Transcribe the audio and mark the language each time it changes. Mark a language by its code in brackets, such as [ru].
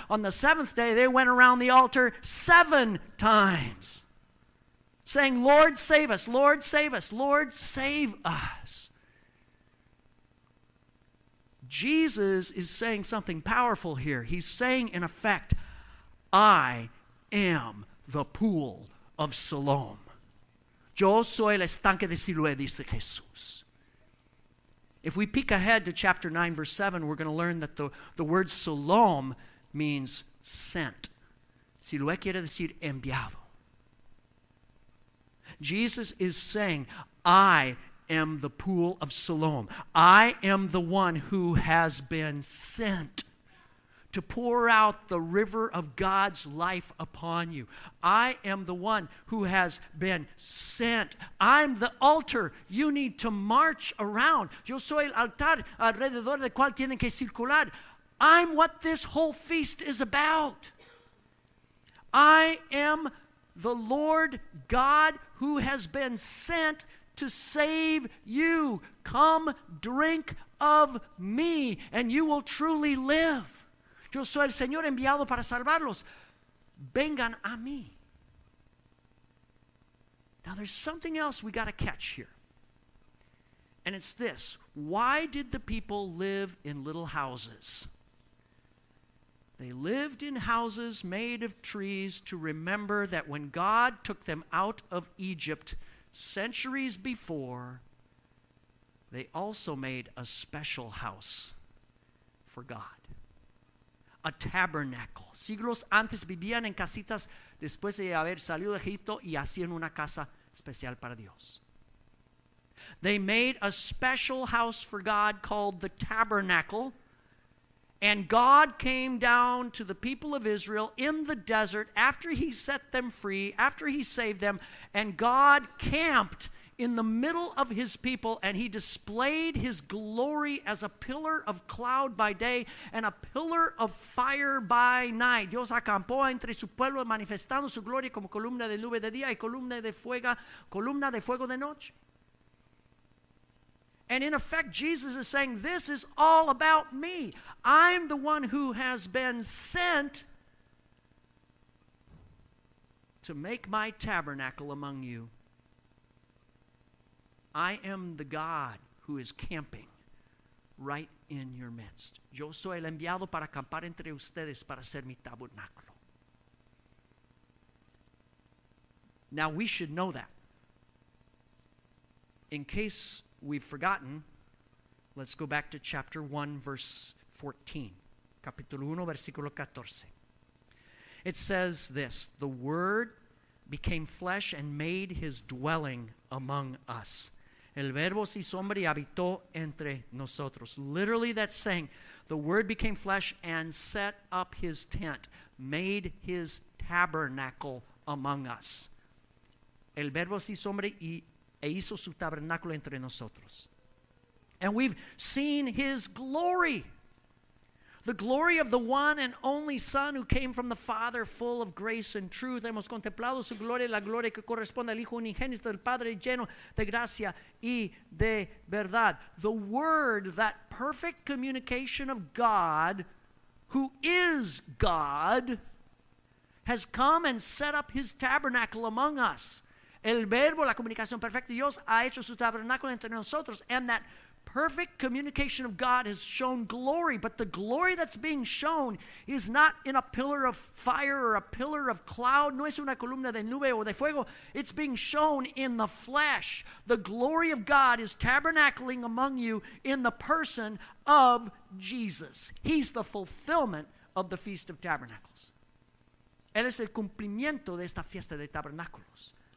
[en] On the seventh day, they went around the altar seven times saying, Lord, save us. Lord, save us. Lord, save us. Jesus is saying something powerful here. He's saying, in effect, I am the pool of Siloam. [es] Yo soy el estanque de Siloé, dice Jesús. [en] If we peek ahead to chapter 9, verse 7, we're going to learn that the word Siloam means sent. [es] Siloé quiere decir enviado. [en] Jesus is saying, I am the pool of Siloam. I am the one who has been sent to pour out the river of God's life upon you. I am the one who has been sent. I'm the altar you need to march around. [es] Yo soy el altar alrededor del cual tienen que circular. [en] I'm what this whole feast is about. I am the Lord God who has been sent to save you. Come drink of me and you will truly live. [es] Yo soy el Señor enviado para salvarlos. Vengan a mí. [en] Now there's something else we got to catch here. And it's this. Why did the people live in little houses? They lived in houses made of trees to remember that when God took them out of Egypt centuries before, they also made a special house for God. A tabernacle. [es] Siglos antes vivían en casitas después de haber salido de Egipto y hacían una casa especial para Dios. [en] They made a special house for God called the tabernacle. And God came down to the people of Israel in the desert after he set them free, after he saved them, and God camped in the middle of his people and he displayed his glory as a pillar of cloud by day and a pillar of fire by night. [es] Dios acampó entre su pueblo manifestando su gloria como columna de nube de día y columna de fuego de noche. [en] And in effect, Jesus is saying, this is all about me. I'm the one who has been sent to make my tabernacle among you. I am the God who is camping right in your midst. [es] Yo soy el enviado para acampar entre ustedes para hacer mi tabernáculo. [en] Now we should know that. In case we've forgotten, let's go back to chapter 1, verse 14. [es] Capítulo 1, versículo 14. [en] It says this, the Word became flesh and made his dwelling among us. [es] El Verbo se hizo hombre y habitó entre nosotros. [en] Literally, that's saying, the Word became flesh and set up his tent, made his tabernacle among us. [es] El Verbo se hizo hombre y e hizo su tabernáculo entre nosotros. [en] And we've seen his glory. The glory of the one and only Son who came from the Father full of grace and truth. [es] Hemos contemplado su gloria, la gloria que corresponde al Hijo unigénito del Padre lleno de gracia y de verdad. [en] The Word, that perfect communication of God, who is God, has come and set up his tabernacle among us. [es] El Verbo, la comunicación perfecta de Dios, ha hecho su tabernáculo entre nosotros. [en] And that perfect communication of God has shown glory. But the glory that's being shown is not in a pillar of fire or a pillar of cloud. [es] No es una columna de nube o de fuego. [en] It's being shown in the flesh. The glory of God is tabernacling among you in the person of Jesus. He's the fulfillment of the Feast of Tabernacles. [es] Él es el cumplimiento de esta fiesta de tabernáculos.